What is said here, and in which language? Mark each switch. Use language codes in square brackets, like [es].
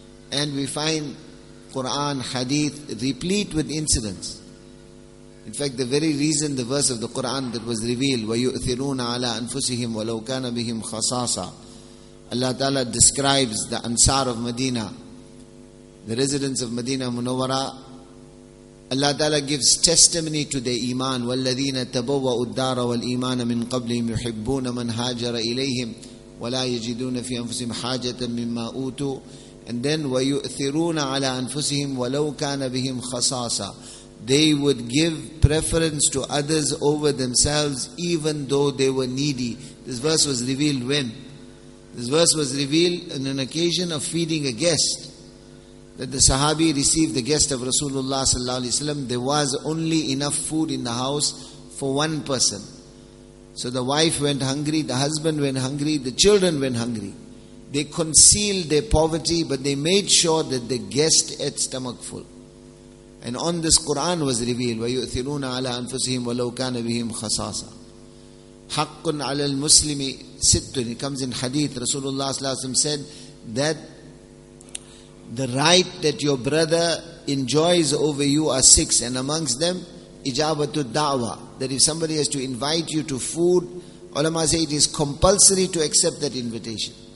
[en] And we find Quran, hadith, replete with incidents. In fact, the very reason the verse of the Quran that was revealed, [ar] وَيُؤْثِرُونَ عَلَىٰ أَنفُسِهِمْ وَلَوْ كَانَ بِهِمْ خَصَاصًا, [en] Allah Ta'ala describes the Ansar of Medina, the residents of Medina Munawwara. Allah Ta'ala gives testimony to the iman, [ar] وَالَّذِينَ تَبَوَّأُ الدَّارَ وَالْإِيمَانَ مِنْ قَبْلِهِمْ يُحِبُّونَ مَنْ هَاجَرَ إِلَيْهِمْ وَلَا يَجِدُونَ فِي أَنفُسِهِمْ حَاجَةً مِمَّا أُوتُوا. [en] And then [ar] وَيُؤْثِرُونَ عَلَىٰ أَنفُسِهِمْ وَلَوْ كَانَ بِهِمْ خَصَاصًا, [en] they would give preference to others over themselves even though they were needy. This verse was revealed when? This verse was revealed on an occasion of feeding a guest. That the Sahabi received the guest of Rasulullah sallallahu alaihi wasallam. There was only enough food in the house for one person. So the wife went hungry, the husband went hungry, the children went hungry. They concealed their poverty, but they made sure that the guest ate stomach full. And on this Quran was revealed, [ar] وَيُؤْثِرُونَ عَلَىٰ أَنفُسِهِمْ وَلَوْ كَانَ بِهِمْ خَصَاصًا. حَقٌّ عَلَى الْمُسْلِمِ سِتٌّ. [en] It comes in hadith, Rasulullah sallallahu alaihi wasallam said that the right that your brother enjoys over you are six, and amongst them, [ar] إِجَابَةُ الدَّعْوَى, [en] that if somebody has to invite you to food, ulama say it is compulsory to accept that invitation.